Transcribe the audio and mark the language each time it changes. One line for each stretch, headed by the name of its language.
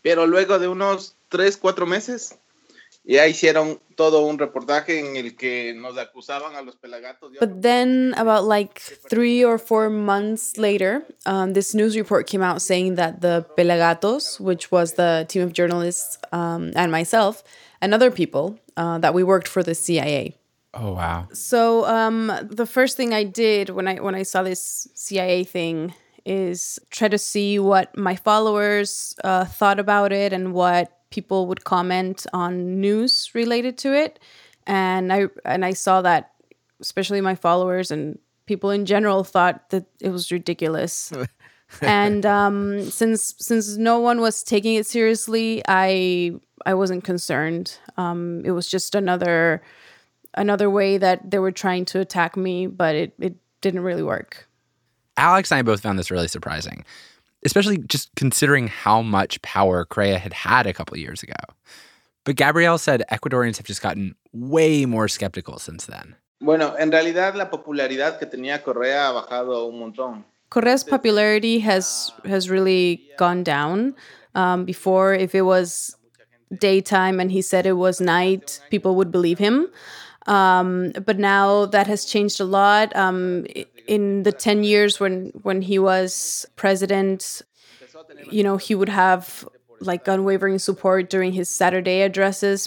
Spanish: Pero luego de unos 3-4 meses, ya hicieron todo un reportaje en el que nos acusaban a los pelagatos.
English: But then, about like 3 or 4 months later, this news report came out saying that the pelagatos, which was the team of journalists and myself and other people that we worked for the CIA. Oh wow! So the first thing I did when I saw this CIA thing is try to see what my followers thought about it and what people would comment on news related to it. And I saw that especially my followers and people in general thought that it was ridiculous. And since no one was taking it seriously, I wasn't concerned. It was just another way that they were trying to attack me, but it didn't really work. Alex and I both found this really surprising, especially just considering how much power Correa had a couple of years ago. But Gabriel said Ecuadorians have just gotten way more skeptical since then.
Spanish: Bueno, en realidad la popularidad que tenía Correa ha bajado un montón.
English: Correa's popularity has really gone down. Before, if it was daytime and he said it was night, people would believe him. But now that has changed a lot. In the 10 years when he was president, you know, he would have like unwavering support during his Saturday addresses.